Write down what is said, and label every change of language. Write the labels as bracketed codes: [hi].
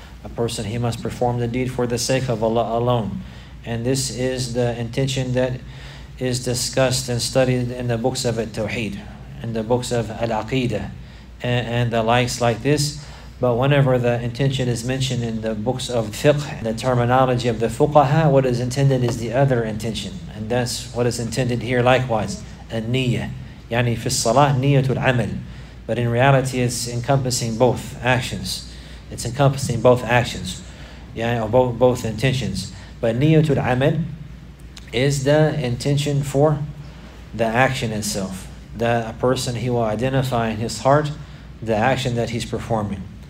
[en] A person, he must perform the deed for the sake of Allah alone. And this is the intention that is discussed and studied in the books of al-tawheed, in the books of al-aqidah, and the likes like this. But whenever the intention is mentioned in the books of fiqh, the terminology of the fuqaha, what is intended is the other intention. And that's what is intended here likewise, al-niyyah. [ar] يعني في الصلاة نية العمل. [en] But in reality, it's encompassing both actions. It's encompassing both actions, يعني, or both intentions. But [ar] نية العمل [en] is the intention for the action itself. That a person, he will identify in his heart the action that he's performing.